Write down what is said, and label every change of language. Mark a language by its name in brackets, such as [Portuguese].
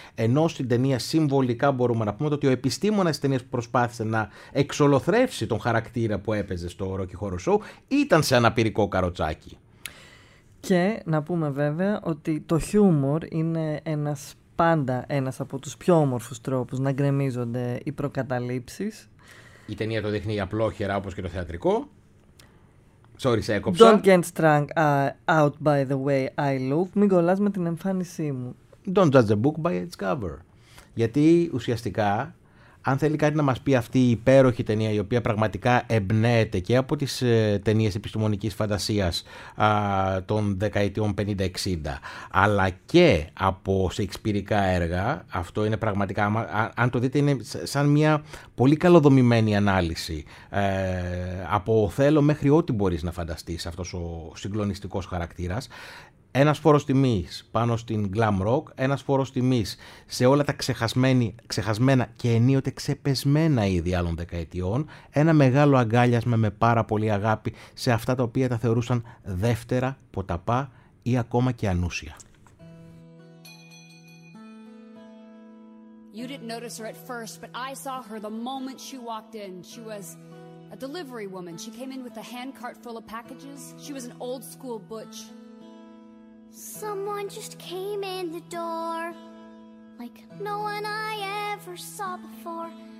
[Greek] Ενώ στην ταινία συμβολικά μπορούμε να πούμε ότι ο επιστήμονας της ταινίας που προσπάθησε να εξολοθρεύσει τον χαρακτήρα που έπαιζε στο Rocky Horror Show ήταν σε αναπηρικό καροτσάκι. Και να πούμε βέβαια ότι το χιούμορ είναι ένας, πάντα ένας από τους πιο όμορφους τρόπους να γκρεμίζονται οι προκαταλήψεις. Η ταινία το δείχνει απλόχερα όπως και το θεατρικό. Sorry, σε έκοψα. [English] Don't get strung out by the way I look. [Greek] Μην κολλάς με την εμφάνισή μου. [English] Don't judge a book by its cover. [Greek] Γιατί ουσιαστικά, αν θέλει κάτι να μας πει αυτή η υπέροχη ταινία, η οποία πραγματικά εμπνέεται και από τις ταινίες επιστημονικής φαντασίας των δεκαετιών 50-60, αλλά και από σεξπυρικά έργα, αυτό είναι πραγματικά, αν το δείτε, είναι σαν μια πολύ καλοδομημένη ανάλυση από Οθέλο μέχρι ό,τι μπορείς να φανταστείς αυτός ο συγκλονιστικός χαρακτήρας. Ένας φόρος τιμής πάνω στην glam rock, ένας φόρος τιμής σε όλα τα ξεχασμένα και ενίοτε ξεπεσμένα είδη άλλων δεκαετιών, ένα μεγάλο αγκάλιασμα με πάρα πολύ αγάπη σε αυτά τα οποία τα θεωρούσαν δεύτερα, ποταπά ή ακόμα και ανούσια. [English] You didn't notice her at first, but I saw her the moment she walked in. She was a delivery woman. She came in with a handcart full of packages. She was an old school butch. Someone just came in the door, like no one I ever saw before.